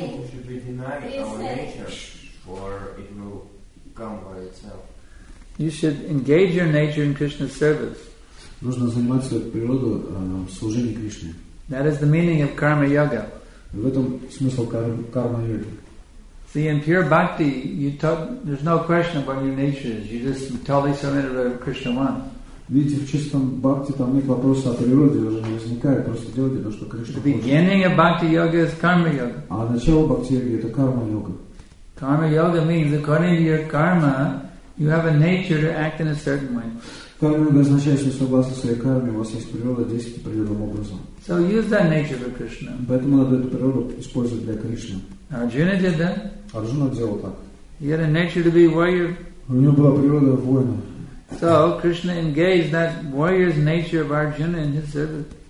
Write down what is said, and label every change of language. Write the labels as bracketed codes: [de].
[en] Should we deny our nature, or it will come by itself? You should engage your nature in Krishna's service. [ru] Нужно заниматься природу служением Кришне. [en] That is the meaning of karma yoga. [ru] В этом смысл карма йоги. [en] See, in pure bhakti, there's no question of what your nature is. You just totally surrender to Krishna one. [ru] Видите, в чистом бхакти там нет вопроса о природе, уже не возникает, просто делайте то, что Кришна хочет. [en] The beginning of bhakti yoga is karma yoga. [ru] А начало бхакти йоги это карма йога. [en] Karma yoga means according to your karma, you have a nature to act in a certain way. [ru] Карма означает, что согласно своей карме у вас есть природа действовать определенным образом. [en] So use that nature for Krishna. [ru] Поэтому надо эту природу использовать для Кришны. [en] Arjuna did that. [ru] Arjuna делал так. [en] He had a nature to be warrior. [ru] У него была природа воина. [en] So Krishna engaged that warrior's nature of Arjuna in his service.